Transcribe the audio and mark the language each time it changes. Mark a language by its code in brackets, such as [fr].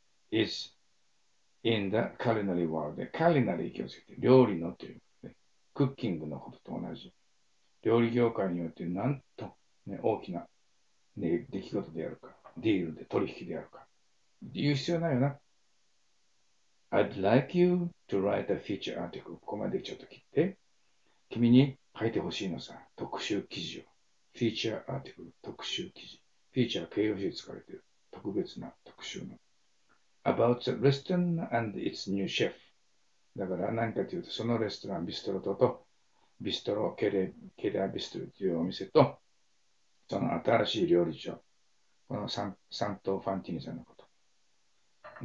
[en] is in the culinary world. [ja] culinary 気をつけて、料理のということで、クッキングのことと同じ。料理業界によってなんと、ね、大きな、ね、出来事であるか、ディールで取引であるか、言う必要ないよな。 [en] I'd like you to write a feature article. [ja] ここまでちょっと切って。君に書いてほしいのさ、特集記事を。 feature article、特集記事。feature は形容詞で使われている。特別な特集の。 [en] about the restaurant and its new chef。 [ja] だから何かというと、そのレストラン、ビストロと、ビストロ、ケレアビストロというお店と、その新しい料理長、このサントー・ファンティニさんのこと。